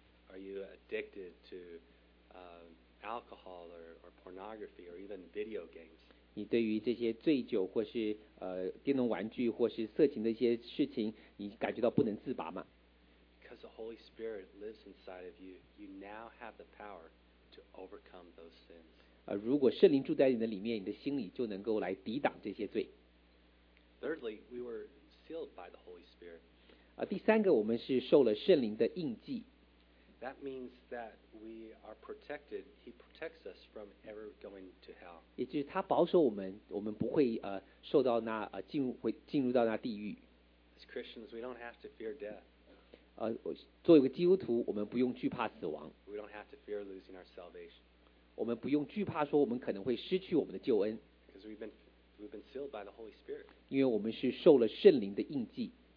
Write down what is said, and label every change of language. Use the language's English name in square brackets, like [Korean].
[English] Are you addicted to alcohol or pornography or even video games. [Chinese] 你对于这些醉酒或是电动玩具或是色情的一些事情，你感觉到不能自拔吗？ [English] Because the Holy Spirit lives inside of you, you now have the power to overcome those sins. [Chinese] 如果圣灵住在你的里面，你的心里就能够来抵挡这些罪。 [English] Thirdly, we were sealed by the Holy Spirit. [Chinese] 第三个，我们是受了圣灵的印记。 [English] That means that we are protected. He protects us from ever going to hell. [Chinese] 也就是他保守我们，我们不会受到那进入到那地狱。 [English] As Christians, we don't have to fear death. [Chinese] 作为一个基督徒，我们不用惧怕死亡。 [English] We don't have to fear losing our salvation. [Chinese] 我们不用惧怕说我们可能会失去我们的救恩。 [English] Because we've been sealed by the Holy Spirit. [Chinese] 因为我们是受了圣灵的印记。